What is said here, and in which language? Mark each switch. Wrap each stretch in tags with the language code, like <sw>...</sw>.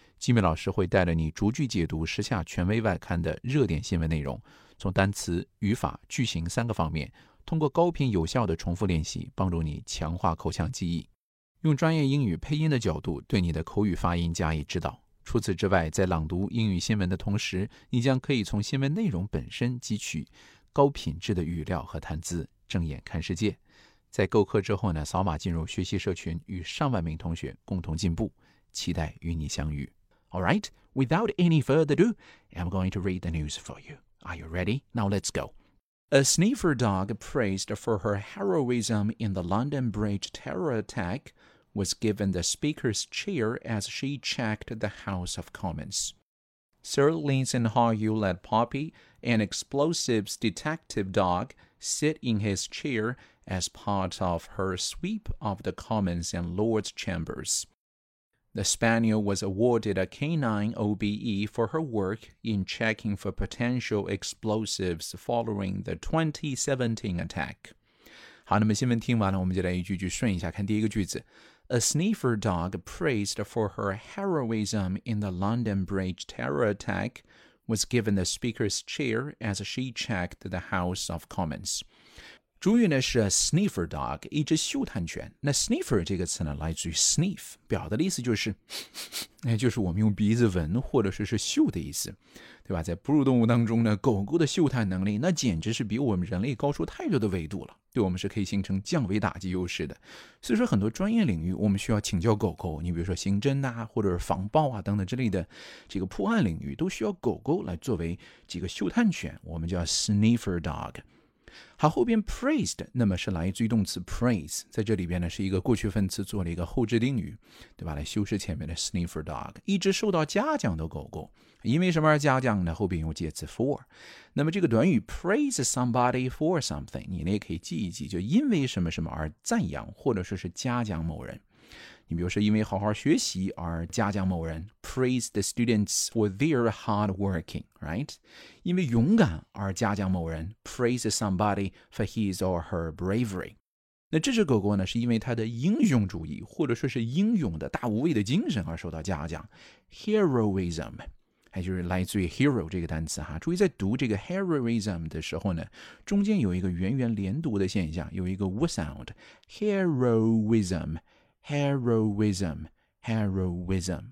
<zh>吉米老师会带着你逐句解读时下权威外刊的热点新闻内容，从单词、语法、句型三个方面，通过高频有效的重复练习，帮助你强化口腔记忆，用专业英语配音的角度对你的口语发音加以指导。除此之外，在朗读英语新闻的同时，你将可以从新闻内容本身汲取高品质的语料和谈资，睁眼看世界。在购课之后呢，扫码进入学习社群，与上万名同学共同进步，期待与你相遇。</zh> <en>Alright, without any further ado, I'm going to read the news for you. Are you ready? Now let's go. A sniffer dog praised for her heroism in the London Bridge terror attack was given the speaker's chair as she checked the House of Commons. Sir Lindsay Hawley led Poppy, an explosives detective dog,sit in his chair as part of her sweep of the Commons and Lords Chambers. The Spaniel was awarded a canine OBE for her work in checking for potential explosives following the 2017 attack.</en> <zh>好，那么新闻听完了，我们就来一句句顺一下看第一个句子。</zh> <en>A sniffer dog praised for her heroism in the London Bridge terror attack,was given the speaker's chair as she checked the House of Commons.</en> <zh>主语呢是 a sniffer dog, 一只嗅探犬。那 sniffer 这个词呢来自于 sniff, 表达的意思就是就是我们用鼻子闻或者是嗅的意思。对吧，在哺乳动物当中呢，狗狗的嗅探能力那简直是比我们人类高出太多的维度了。对我们是可以形成降维打击优势的。所以说很多专业领域我们需要请教狗狗，你比如说刑侦啊或者是防暴啊等等之类的这个破案领域都需要狗狗来作为这个嗅探犬，我们叫 sniffer dog。好，后边 praised, 那么是来自于动词 praise, 在这里边呢是一个过去分词做了一个后置定语，对吧，来修饰前面的 sniffer dog, 一只受到嘉奖的狗狗。因为什么而嘉奖呢？后边用介词 for。那么这个短语</zh> <en>praise somebody for something,</en> <zh>你也可以记一记，就因为什么什么而赞扬或者说是嘉奖某人。你比如说因为好好学习而嘉奖某人，</zh> <en>praise the students for their hard working, right?</en> <zh>因为勇敢而嘉奖某人，</zh> <en>praise somebody for his or her bravery.</en> <zh>那这只狗狗呢，是因为它的英雄主义或者说是英勇的大无畏的精神而受到嘉奖。 heroism, 还就是来自于 hero 这个单词哈。注意在读这个 heroism 的时候呢，中间有一个圆圆连读的现象，有一个 w sound, heroism,Heroism, heroism.</zh>